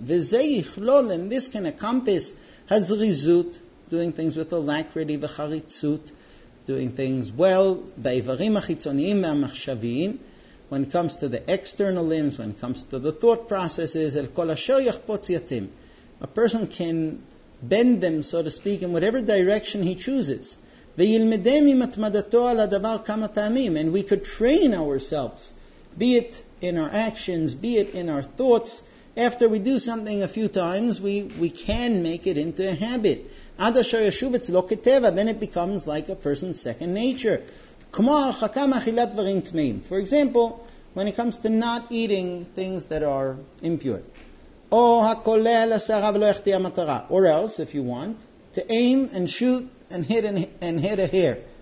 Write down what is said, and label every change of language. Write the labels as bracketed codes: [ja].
[he] וזה יכלול, [en] and this can encompass הזריזות, doing things with alacrity, [he] וחריצות, [en] doing things well, [he] באיברים החיצוניים והמחשביים, [en] when it comes to the external limbs, when it comes to the thought processes, [he] אל כל אשר יחפוץ יתאים. [en] A person can bend them, so to speak, in whatever direction he chooses. [he] וילמדם עם התמדתו על הדבר כמה פעמים. [en] And we could train ourselves, be it in our actions, be it in our thoughts. After we do something a few times, we can make it into a habit. [he] עד אשר ישוב אצלו כטבע, [en] then it becomes like a person's second nature. [he] כמו הרחקה מאכילת דברים טמאים. [en] For example, when it comes to not eating things that are impure. [he] או הקולע לסערה ולא יחטיא המטרה. [en] Or else, if you want, to aim and shoot and hit and hit a hair.